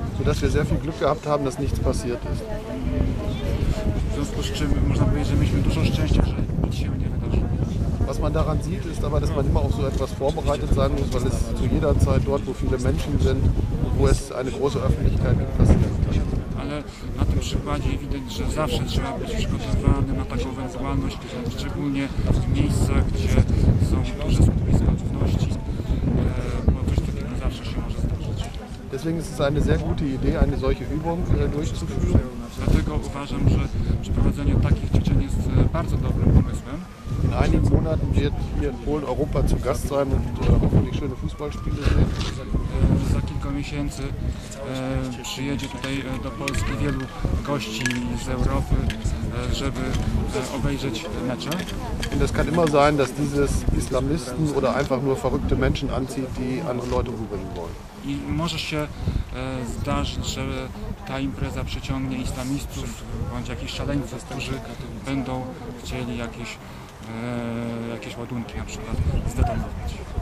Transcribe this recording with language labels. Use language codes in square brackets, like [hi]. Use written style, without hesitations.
[de] Sodass wir sehr viel Glück gehabt haben, dass nichts passiert ist. [pl] W związku z czym można powiedzieć, że mieliśmy dużo szczęścia, że nic się nie wydarzyło. [de] Was man daran sieht, ist aber, dass man immer auf so etwas vorbereitet sein muss, weil es zu jeder Zeit dort, wo viele Menschen sind, wo es eine große Öffentlichkeit gibt, passieren kann. [pl] Ale na tym przykładzie widać, że zawsze trzeba być przygotowany na taką ewentualność, szczególnie w miejscach, gdzie są duże skupiska ludności, bo coś takiego zawsze się może zdarzyć. [de] Deswegen ist es eine sehr gute Idee, eine solche Übung durchzuführen. [pl] Dlatego uważam, że przeprowadzenie takich ćwiczeń jest bardzo dobrym pomysłem. [de] In einigen Monaten wird hier in Polen Europa zu Gast sein und hoffentlich schöne Fußballspiele sehen. [pl] że za kilka miesięcy przyjedzie tutaj do Polski wielu gości z Europy, żeby obejrzeć mecze. [de] Und es kann immer sein, dass dieses Islamisten oder einfach nur verrückte Menschen anzieht, die andere Leute umbringen wollen. [pl] I może się zdarzyć, że ta impreza przyciągnie islamistów bądź jakichś szaleńców, którzy będą chcieli jakieś ładunki na przykład zdetonować.